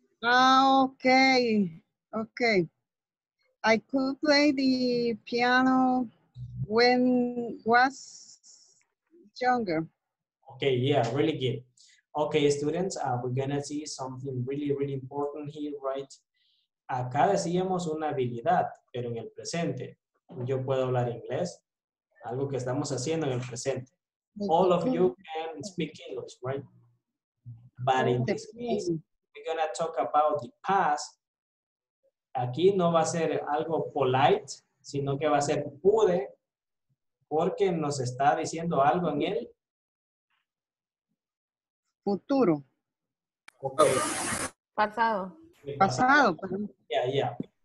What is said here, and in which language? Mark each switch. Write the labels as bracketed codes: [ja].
[en] Okay. I could play the piano when was younger. Okay, yeah, really good. Okay, students, we're gonna see something really, really important here, right? [es] Acá decíamos una habilidad, pero en el presente. Yo puedo hablar inglés, algo que estamos haciendo en el presente. [en] All of you can speak English, right? But in this case, we're gonna talk about the past. [es] Aquí no va a ser algo polite, sino que va a ser pude, porque nos está diciendo algo en él. Futuro. Okay. Pasado. Pasado. [en] Yeah.